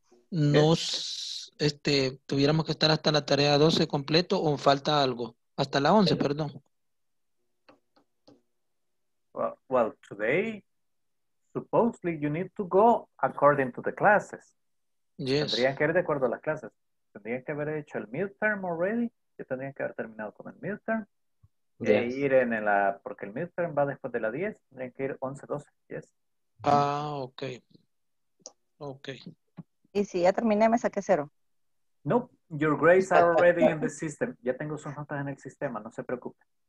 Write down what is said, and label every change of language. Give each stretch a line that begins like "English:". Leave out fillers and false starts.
Spanish: ¿Tuviéramos que estar hasta la tarea 12 completo o falta algo? Hasta la 11, perdón.
English: Well, today, supposedly you need to go according to the classes. Yes.
Spanish: Tendrían que ir de acuerdo a las clases. Tendrían que haber hecho el midterm already. Yo tendría que haber terminado con el midterm. Yes. E ir en la, porque el midterm va después de la 10. Tendrían que ir 11, 12. Yes. Ah, okay. Okay. Y si ya terminé, me saqué 0.
English: Nope, your grades are already in the system.
Spanish: Ya tengo sus notas en el sistema, no se preocupe.